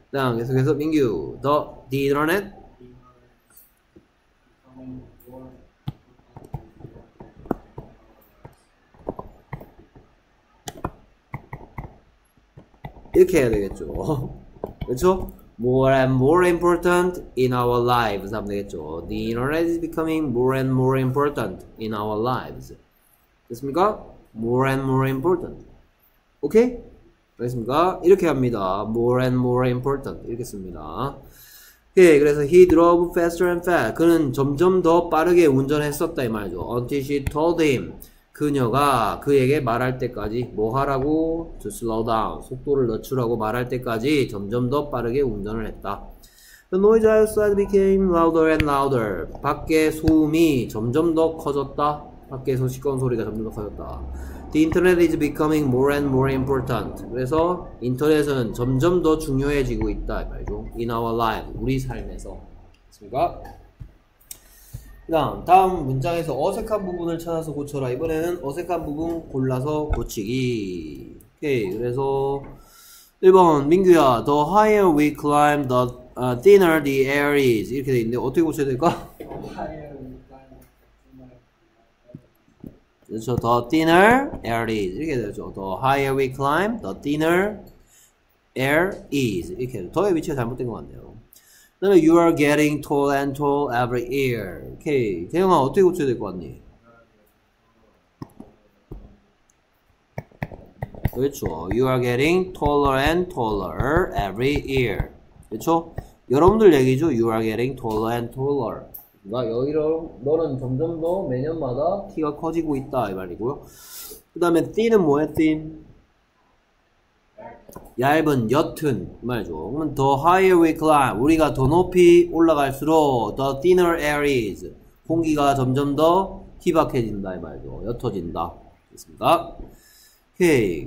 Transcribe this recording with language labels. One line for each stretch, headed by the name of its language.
Korean: 다음 계속해서 민규 더 디드러넷 이렇게 해야 되겠죠. 그렇죠?
English: More and more important in our lives
Korean: 하면 되겠죠.
English: The internet is becoming more and more important in our lives.
Korean: 됐습니까?
English: More and more important.
Korean: 오케이? 됐습니까? 이렇게 합니다.
English: More and more important
Korean: 이렇게 씁니다. 오케이. 그래서
English: he drove faster and faster.
Korean: 그는 점점 더 빠르게 운전했었다 이 말이죠.
English: Until she told him.
Korean: 그녀가 그에게 말할 때까지 뭐 하라고?
English: To slow down.
Korean: 속도를 늦추라고 말할 때까지 점점 더 빠르게 운전을 했다.
English: The noise outside became louder and louder.
Korean: 밖에 소음이 점점 더 커졌다. 밖에서 시끄러운 소리가 점점 더 커졌다.
English: The internet is becoming more and more important.
Korean: 그래서 인터넷은 점점 더 중요해지고 있다. 말이죠.
English: In our life.
Korean: 우리 삶에서. 그렇습니까? 다음 문장에서 어색한 부분을 찾아서 고쳐라. 이번에는 어색한 부분 골라서 고치기. 오케이. 그래서 1번 민규야,
English: the higher we climb, the thinner the air is.
Korean: 이렇게 돼 있는데 어떻게 고쳐야 될까? 그렇죠.
English: The thinner air is
Korean: 이렇게 되죠.
English: The higher we climb, the thinner air is
Korean: 이렇게 더의 위치가 잘못된 것 같네요. 그 다음에
English: you are getting tall and tall every year. 오케이.
Korean: 태영아 어떻게 고쳐야 될것 같니? 그렇죠.
English: You are getting taller and taller every year.
Korean: 그렇죠? 여러분들 얘기죠.
English: You are getting taller and taller.
Korean: 나 여기로 너는 점점 더 매년마다 키가 커지고 있다 이 말이고요. 그 다음에 thin은 뭐야? thin 얇은, 옅은 말이죠. 그러면
English: the higher we climb,
Korean: 우리가 더 높이 올라갈수록
English: the thinner air is,
Korean: 공기가 점점 더 희박해진다 이 말이죠. 옅어진다. 됐습니다. 오케이.